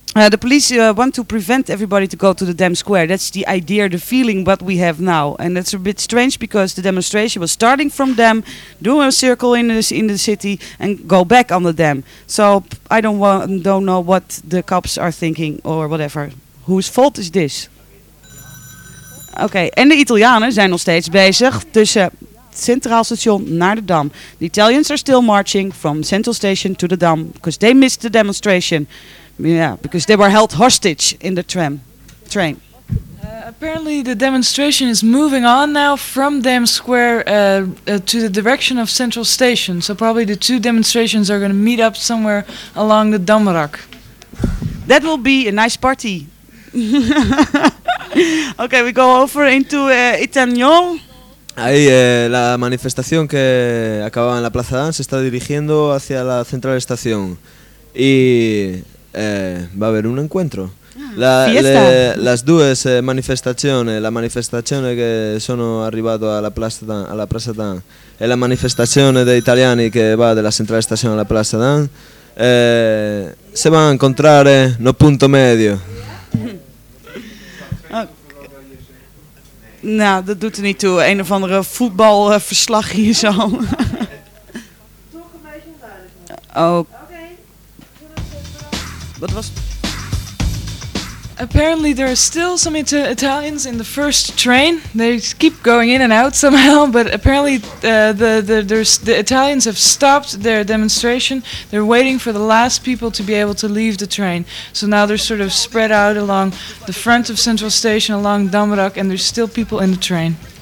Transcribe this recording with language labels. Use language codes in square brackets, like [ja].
[en] The police want to prevent everybody to go to the Dam Square. That's the idea, the feeling what we have now. And it's a bit strange because the demonstration was starting from Dam, doing a circle in the city and go back on the Dam. So I don't know what the cops are thinking or whatever. Whose fault is this? Okay, and the [nl] Italianen zijn nog steeds bezig tussen Centraal Station naar de Dam. [en] The Italians are still marching from Central Station to the Dam because they missed the demonstration. Yeah, because they were held hostage in the train. Apparently the demonstration is moving on now from Dam Square to the direction of Central Station. So probably the two demonstrations are going to meet up somewhere along the Damrak. That will be a nice party. Okay, we go over into Itagnol. [es] Ahí la manifestación que acababa en la Plaza Dam se está dirigiendo hacia la Central Station. Y va a haber un encuentro. Las dos manifestaciones, la manifestación que son arribado a la Plaza Dam, y la manifestación de italiani que va de la Central Station a la Plaza Dam, se van a encontrar en no punto medio. [nl] Nou, dat doet er niet toe. Een of andere voetbalverslag hier zo. Toch een beetje onduidelijk. Oké. Wat was. [en] Apparently there are still some Italians in the first train. They keep going in and out somehow, but apparently the Italians have stopped their demonstration. They're waiting for the last people to be able to leave the train. So now they're sort of spread out along the front of Central Station, along Damrak, and there's still people in the train.